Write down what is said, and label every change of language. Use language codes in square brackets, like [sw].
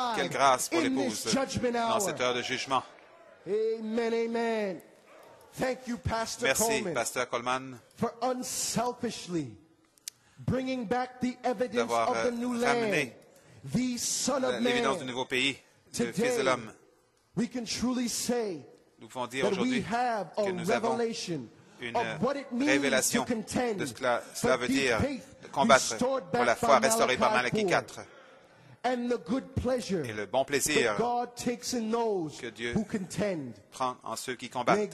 [fr] quelle grâce pour l'épouse dans cette heure de jugement. [en] Amen, amen. Thank you, Pastor. [fr] Merci, Pasteur Coleman, [en] for unselfishly bringing back the evidence of the new land, the Son of Man. [fr] L'évidence du nouveau pays, le Fils de l'homme. [en] We can truly say. [fr] Nous pouvons dire aujourd'hui que nous avons une révélation de ce que cela veut dire de combattre pour la foi restaurée par Malachi 4 et le bon plaisir que Dieu prend en ceux qui combattent.